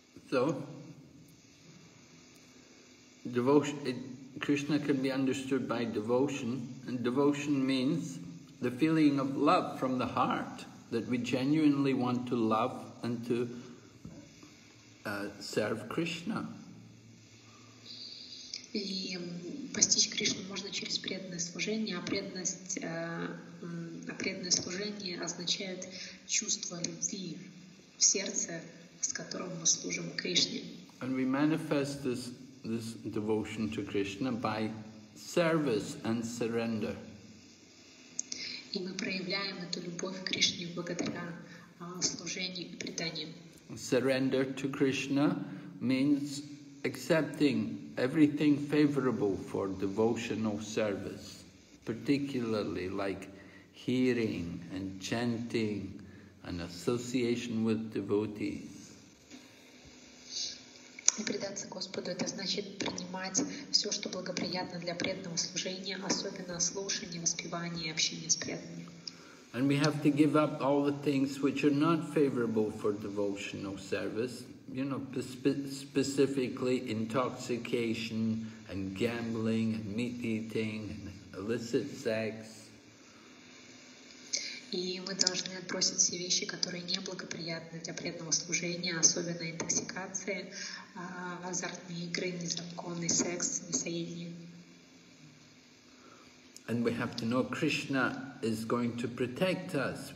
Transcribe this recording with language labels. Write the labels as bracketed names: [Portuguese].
[English] So, devotion. Krishna can be understood by devotion, and devotion means the feeling of love from the heart, that we genuinely want to love and to serve Krishna. [Russian] И постичь Кришну можно через преданное служение, а преданное служение означает чувство любви в сердце, с которым мы служим Кришне. [English] And we manifest this devotion to Krishna by service and surrender. [Russian] И мы проявляем эту любовь к Кришне благодаря служению и преданию. [English] Surrender to Krishna means accepting everything favorable for devotional service, particularly like hearing and chanting and association with devotees. [Russian] И предаться Господу – это значит принимать все, что благоприятно для преданного служения, особенно слушание, воспевание, общение с преданными. [English] And we have to give up all the things which are not favorable for devotional service, you know, specifically intoxication and gambling and meat eating and illicit sex. [Russian] И мы должны отбросить все вещи, которые неблагоприятны для преданного служения, особенно интоксикация, азартные игры, незаконный секс, мясоедение. [English] And we have to know Krishna is going to protect us.